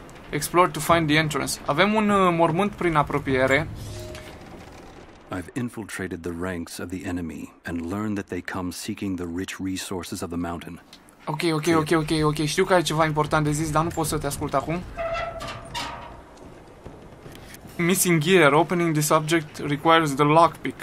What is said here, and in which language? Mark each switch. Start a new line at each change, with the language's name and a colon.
English: Explore to find the entrance.
Romanian: Avem un mormânt prin apropiere.
English: I've infiltrated the ranks of the enemy and learned that they come seeking the rich resources of the mountain. Okay, okay, okay, okay, okay.
Romanian: Știu că ai ceva important de zis, dar nu pot să te ascult acum.
English: Missing gear. Opening this object requires the lockpick.